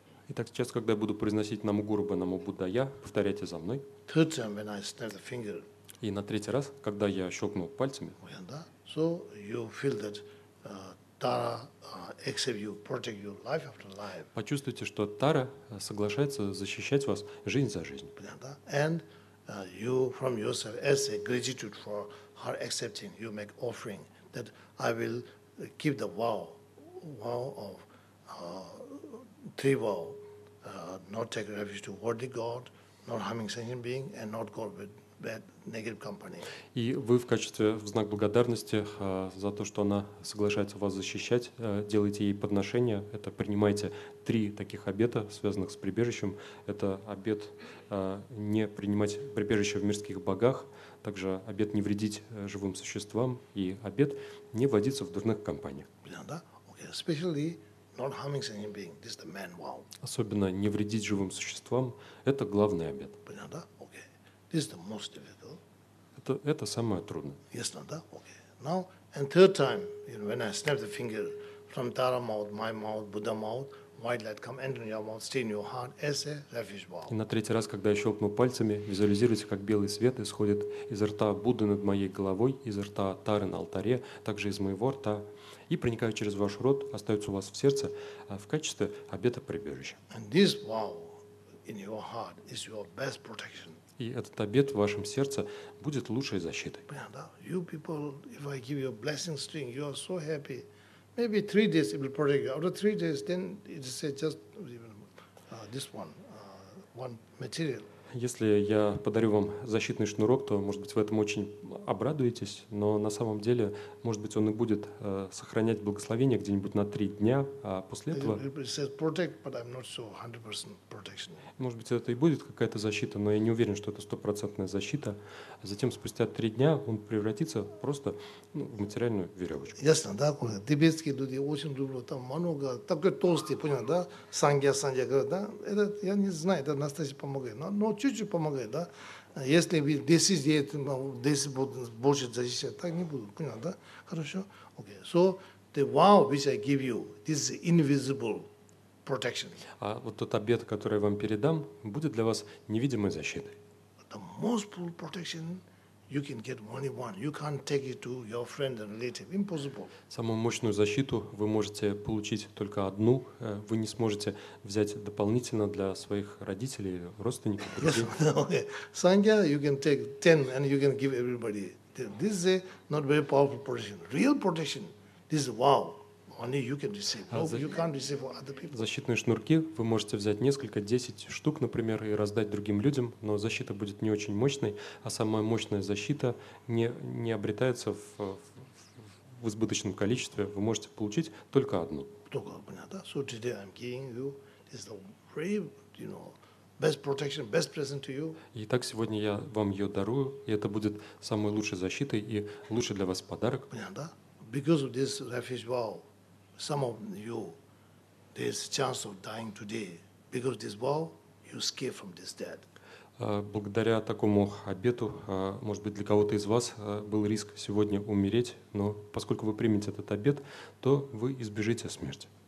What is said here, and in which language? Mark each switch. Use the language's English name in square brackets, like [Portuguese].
[Russian] Итак, сейчас, когда я буду произносить Наму Гурубе Наму Буддхая, повторяйте за мной. [English] Third time when I snap the finger. [Russian] И на третий раз, когда я щелкну пальцами, [English] so you feel that Tara accept you, protect you life after life. [Russian] Почувствуйте, что Тара соглашается защищать вас жизнь за жизнь. [English] And you from yourself as a gratitude for her accepting, you make offering that I will keep the vow of three vow, not take refuge to worldly god, not harming sentient being, and not go with bad negative company. [Russian] И вы в качестве в знак благодарности за то, что она соглашается вас защищать, делаете ей подношение. Это принимаете три таких обета, связанных с прибежищем. Это обет не принимать прибежище в мирских богах, также обет не вредить живым существам и обет не водиться в дурных компаниях. [English] Especially not harming sentient being. This is the main vow. [Russian] Особенно не вредить живым существам – это главный обет. [English] This is the most difficult. [Russian] Это самое трудное. [English] Yes, no, [Russian] да? [English] Okay. Now, and third time, you know, when I snap the finger from Tara mouth, my mouth, Buddha mouth, white light come enter your mouth, stay in your heart as a refuge vow. [Russian] И на третий раз, когда я щелкну пальцами, визуализируйте, как белый свет исходит из рта Будды над моей головой, из рта Тары на алтаре, также из моего рта, и проникает через ваш рот, остается у вас в сердце в качестве обета прибежища. [English] And this vow in your heart is your best protection. [Russian] И этот обет в вашем сердце будет лучшей защитой. [English] You people, if I give you a blessing string, you are so happy. Maybe 3 days it will protect you. After 3 days, then it is just even this one, one material. [Russian] Если я подарю вам защитный шнурок, то, может быть, вы этому очень обрадуетесь, но на самом деле, может быть, он и будет сохранять благословение где-нибудь на 3 дня, а после этого... [English] It says protect, but I'm not sure 100% protection. [Russian] Может быть, это и будет какая-то защита, но я не уверен, что это 100% защита. Затем, спустя 3 дня, он превратится просто в материальную веревочку. Ясно, да? Тибетские люди очень люблю, там много, такой толстый, понял, да? Сангья, говорят, да? Это, я не знаю, это настоящий помогает, но ну, чуть-чуть помогает, да? Если здесь больше защищать, так не буду, понял, да? Хорошо? Okay. [English] So, the vow which I give you, this is invisible protection. [Russian] А вот тот обет, который я вам передам, будет для вас невидимой защитой. [English] The most powerful protection you can get only one. You can't take it to your friend and relative. Impossible. [Russian] Самую мощную защиту вы можете получить только одну. Вы не сможете взять дополнительно для своих родителей, родственников, друзей. [English] Sangha, you can take 10 and you can give everybody. This is a not very powerful protection. Real protection, this is wow. Only you can receive. No, you can't receive for other people. [Russian] Защитные шнурки вы можете взять несколько, 10 штук, например, и раздать другим людям, но защита будет не очень мощной, а самая мощная защита не обретается в избыточном количестве. Вы можете получить только одну. Только одна, да? [English] So today I'm giving you this the very, you know, best protection, best present to you. [Russian] Итак, сегодня я вам ее дарую, и это будет самой лучшей защитой и лучший для вас подарок. Понятно? [English] Because of this refuge vow. Some of you, there's a chance of dying today because this vow, you escape from this death. [Russian] Благодаря такому обету, может быть, для кого-то из вас был риск сегодня умереть, но поскольку вы примете этот обет, то вы избежите смерти.